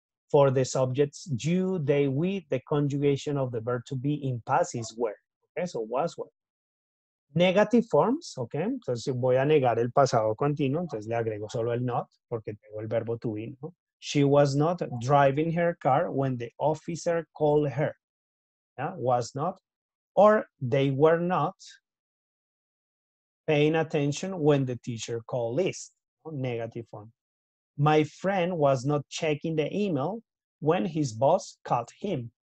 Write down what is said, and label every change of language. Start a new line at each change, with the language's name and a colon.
English: For the subjects you, they, we, the conjugation of the verb to be in past is were. Eso was what. Negative forms, ok.
Spanish: Entonces, si voy a negar el pasado continuo, entonces le agrego solo el not, porque tengo el verbo to be, ¿no?
English: She was not driving her car when the officer called her. Yeah, was not. Or they were not paying attention when the teacher called list. Negative form. My friend was not checking the email when his boss called him.